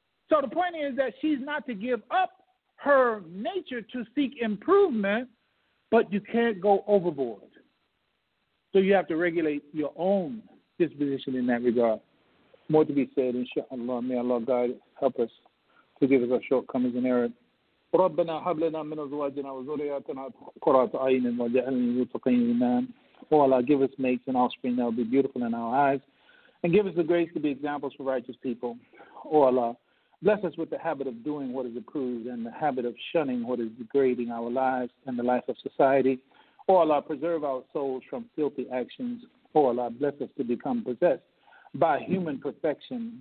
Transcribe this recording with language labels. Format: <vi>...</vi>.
<en>So the point is that she's not to give up her nature to seek improvement, but you can't go overboard. So you have to regulate your own disposition in that regard. More to be said, inshallah. May Allah guide us, help us, forgive us our shortcomings and errors.</en> <ar>ربنا هب لنا من ازواجنا وذرياتنا قرة عين واجعلنا للمتقين اماما.</ar> <en>Oh Allah, give us mates and offspring that will be beautiful in our eyes. And give us the grace to be examples for righteous people. Oh Allah, bless us with the habit of doing what is approved and the habit of shunning what is degrading our lives and the life of society. Oh Allah, preserve our souls from filthy actions. Oh Allah, bless us to become possessed by human perfection.</en>